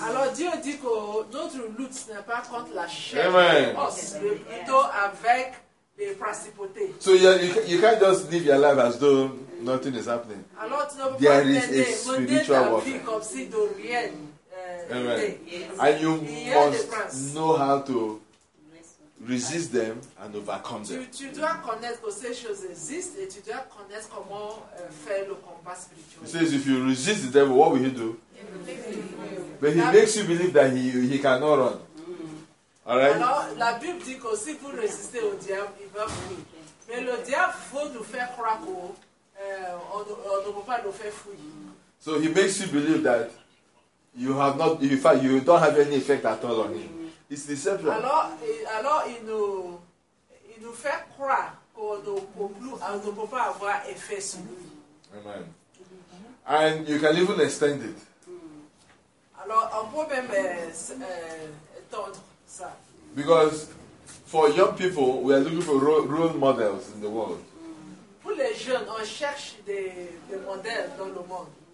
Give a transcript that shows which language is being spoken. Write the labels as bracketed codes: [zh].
[fr] Alors Dieu dit que notre lutte n'est pas contre la chair, mais plutôt avec les principautés. [en] So you can't just live your life as though nothing is happening. [fr] Alors tu ne peux pas mener ta vie comme si de rien n'était. [en] Amen. And you must know how to resist them and overcome them. [fr] Tu dois connaître que ces choses existent et tu dois connaître comment faire le combat spirituel. [en] He says, if you resist the devil, what will he do? But he makes you believe that he cannot run. All right. [fr] Alors, la Bible dit que si vous résistez au diable, il va fuir. Mais le diable faut nous faire croire qu'on ne peut pas nous faire fuir. [en] So he makes you believe that you have not, in fact, you don't have any effect at all on him. It's deception. [fr] Alors il nous fait croire qu'on ne peut pas avoir effet sur lui. [en] Amen. And you can even extend it. [fr] Alors on peut même étendre ça. [en] Because for young people, we are looking for role models in the world. [fr] Pour les jeunes, on cherche des modèles dans le monde.